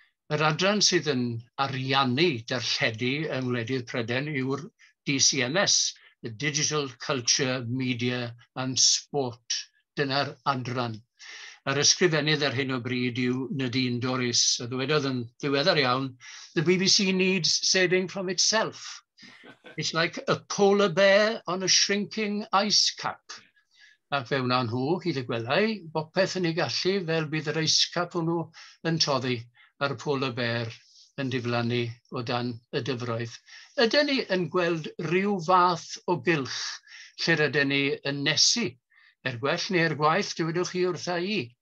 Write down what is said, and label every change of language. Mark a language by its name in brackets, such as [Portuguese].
[Welsh] Yr adran sydd yn ariannu darlledu yng Ngwledydd Pryden yw'r DCMS, the Digital Culture, Media and Sport. Dyna'r adran. Yr ysgrifennydd ar hyn o bryd yw Nadine Dorris, a ddwedodd yn ddiweddar iawn, [English] the BBC needs saving from itself. It's like a polar bear on a shrinking ice cap. [Welsh] Ac fe wna nhw, hyd y gwelau, bopeth yn ei gallu fel bydd yr ice cap hwnnw yn toddi a'r polar bear yn diflannu o dan y dyfroedd. Ydyn ni yn gweld rhyw fath o gylch lle rydyn ni yn nesu er gwell neu er gwaith, dywedwch chi wrtha I.